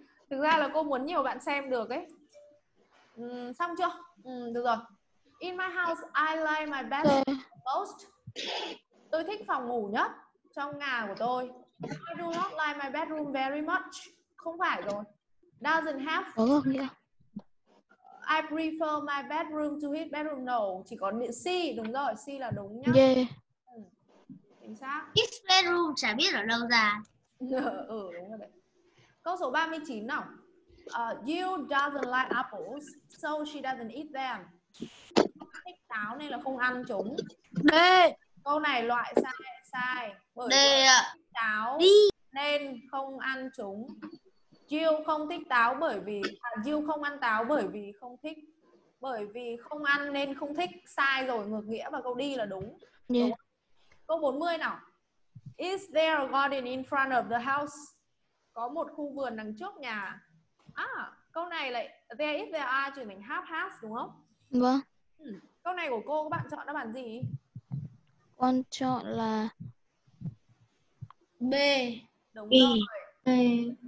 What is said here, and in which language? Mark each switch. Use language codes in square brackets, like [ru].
[vi] Thực ra là cô muốn nhiều bạn xem được ấy. Xong chưa? Được rồi. [en] In my house, I like my bedroom the most. [vi] Tôi thích phòng ngủ nhất trong nhà của tôi. [en] I do not like my bedroom very much. [vi] Không phải rồi. [en] Doesn't have. [vi] Có nghĩa. [en] I prefer my bedroom to his bedroom. No, [vi] chỉ có C. Đúng rồi, C là đúng nhá. [en] Yeah. [vi] Chính xác. [en] His bedroom [vi] chả biết ở đâu ra. Đúng rồi đấy. Câu số 39 nào. [en] You doesn't like apples, so she doesn't eat them. [vi] Không thích táo nên là không ăn chúng. D. Câu này loại sai. D. Táo nên không ăn chúng. Jill không thích táo bởi vì Jill không ăn táo bởi vì không thích. Bởi vì không ăn nên không thích. Sai rồi, ngược nghĩa và câu đi là đúng. [en] Yeah. [vi] Câu 40 nào. [en] Is there a garden in front of the house? [vi] Có một khu vườn đằng trước nhà. À, câu này lại [en] there is there are [vi] chuyển thành [en] have has [vi] đúng không? Vâng. Câu này của cô, các bạn chọn đáp án gì? Con chọn là B. Đúng rồi.